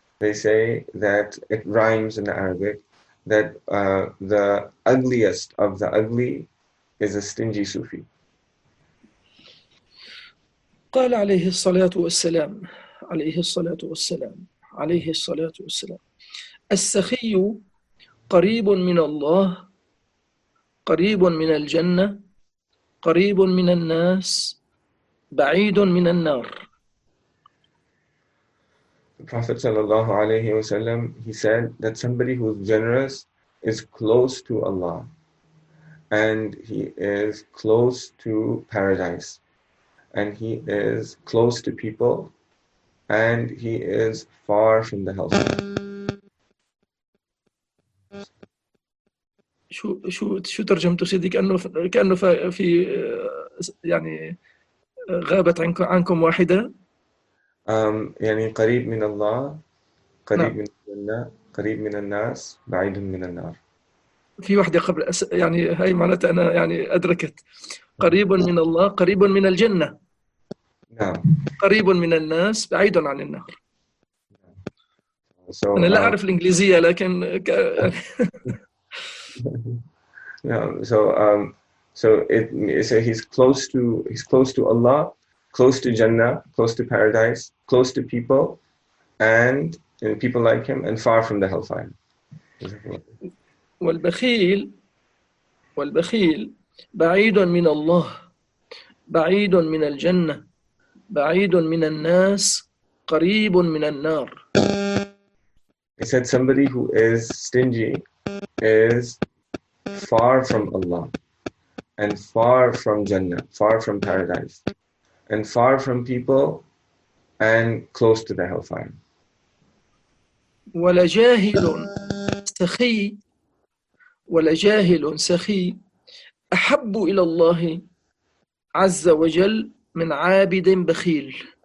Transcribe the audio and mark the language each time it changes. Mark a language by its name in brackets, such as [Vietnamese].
[English] They say that it rhymes in the Arabic that the ugliest of the ugly is a stingy Sufi. [Arabic] قال عليه الصلاة والسلام عليه الصلاة والسلام عليه الصلاة والسلام السخي قريب من الله قريب من الجنة قريب من الناس بعيد من النار. [English] The Prophet sallallahu alayhi wa sallam, he said that somebody who is generous is close to Allah and he is close to paradise and he is close to people and he is far from the hellfire. [Arabic] شو ترجمت سيدي كأنه في يعني غابت عنكم واحدة يعني قريب من الله قريب من الجنة قريب من الناس بعيد من النار. في واحدة قبل يعني هاي معناتها أنا يعني أدركت قريب من الله قريب من الجنة نعم قريب من الناس بعيد عن النار. أنا لا أعرف الإنجليزية لكن [English] no, so So he's close to Allah, close to Jannah, close to paradise, close to people, and you know, people like him, and far from the hellfire. [Arabic] والبخيل والبخيل بعيد من الله بعيد من الجنة بعيد من الناس قريب من النار. [English] He said somebody who is stingy is far from Allah and far from Jannah, far from paradise, and far from people and close to the hellfire. [Arabic] ولا جاهل سخي ولا جاهل سخي أحب إلى الله عز وجل من عابد بخيل.